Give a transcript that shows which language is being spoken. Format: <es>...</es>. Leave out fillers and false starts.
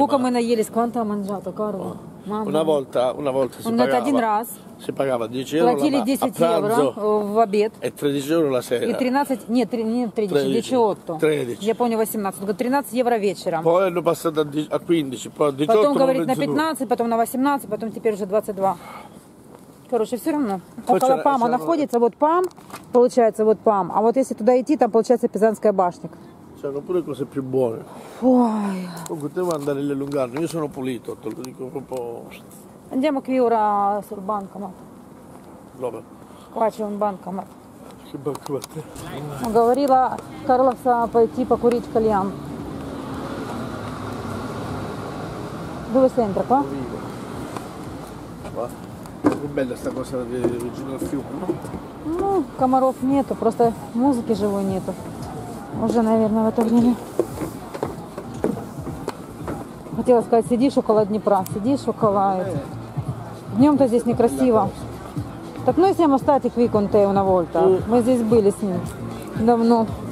<it>Boże, scuca me na jeles, quanto ha mangiato, corvo? Oh. Mamma. Una volta si pagava. Si pagava 10 euro la 10 a pranzo</it> <ru>euro, в обед.</ru> <it>E 13 euro la sera.</it> <ru>И 13, не, 3, не 13, 18. 13. Я понял, 18. 13 евро вечером.</ru> <it>Poi hanno passato a 15, poi a 18.</it> <ru>Потом говорит на 15, потом на 18, потом теперь уже 22. Короче, все равно. Около ПАМа находится, вот ПАМ, получается, вот ПАМ. А вот если туда идти, там получается Пизанская башня.</ru> <it>C'erano pure cose più buone. Fuori. Comunque, devo andare a Lungarno. Io sono pulito, te lo dico proprio. Andiamo qui ora sul bancomat. Dove? Qua c'è un bancomat. Che bancomat è?</it> <ru>Ho говорила Карлоса пойти покурить кальян.</ru> <it>Dove sei entra qua? Qua. Che bella sta cosa di vicino al fiume, no?</it> <ru>Ну, комаров нету, просто музыки живой нету. Уже, наверное, в это время. Хотела сказать, сидишь около Днепра, сидишь около... Днем-то здесь некрасиво. Так мы с ним остались в Виконте на Вольта. Мы здесь были с ним давно.</ru>